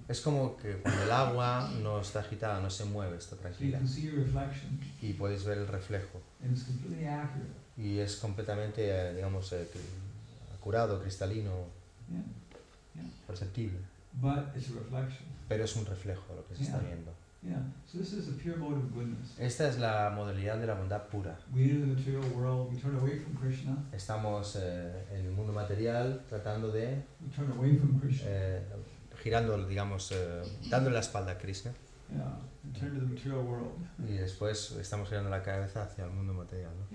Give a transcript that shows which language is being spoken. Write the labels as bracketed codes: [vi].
[es] Es como que cuando el agua no está agitada, no se mueve, está tranquila. [en] So you can see your reflection. [es] Y puedes ver el reflejo. [en] And it's completely accurate. [es] Y es completamente, digamos, acurado, cristalino, perceptible. [en] But it's a reflection. [es] Pero es un reflejo lo que se está viendo. [en] Yeah, so this is a pure mode of goodness. [es] Esta es la modalidad de la bondad pura. [en] We enter the material world, we turn away from Krishna. [es] Estamos en el mundo material tratando de [en] turn away from Krishna. [es] Girando, digamos, dando la espalda a Krishna. [en] Yeah, and turn to the material world. [es] Y después estamos girando la cabeza hacia el mundo material, ¿no?